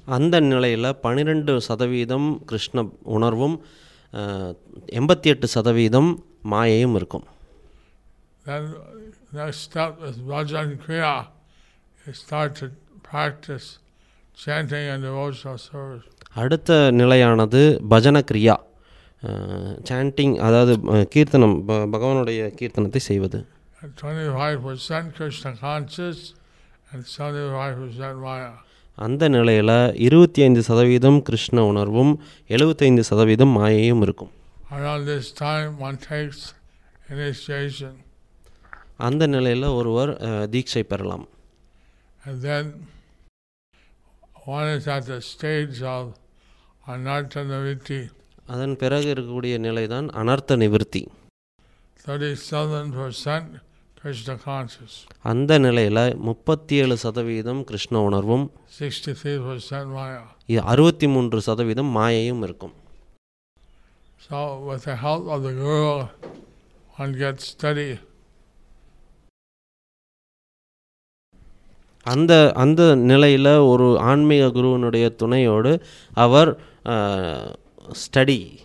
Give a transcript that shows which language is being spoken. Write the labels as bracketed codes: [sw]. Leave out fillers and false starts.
[ta] அந்த நிலையில் 12% கிருஷ்ண உணர்வும் 88% மாயையும் இருக்கும். [en] Then next step is Bhajan Kriya. You start to practice chanting and devotional service. [ta] அடுத்த நிலையானது பஜன கிரியா, சாண்டிங், அதாவது கீர்த்தனம், பகவானுடைய கீர்த்தனத்தை செய்வது. [en] 25% Krishna conscious and 75% Maya. [ta] அந்த நிலையில் 25% கிருஷ்ண உணர்வும் 75% மாயையும் இருக்கும். [en] Around this time one takes initiation. [ta] அந்த நிலையில் ஒருவர் தீட்சை பெறலாம். [en] And then one is at the stage of anartha nivritti. [ta] அதன் பிறகு இருக்கக்கூடிய நிலைதான் அனர்த்த நிவர்த்தி. [en] 37% Krishna conscious. [ta] அந்த நிலையில் 37% கிருஷ்ண உணர்வும் [en] 63% Maya. [ta] 63% மாயையும் இருக்கும். [en] So with the help of the guru, one gets steady. [ta] அந்த நிலையில் ஒரு ஆன்மீக குருவினுடைய துணையோடு அவர் ஸ்டடி.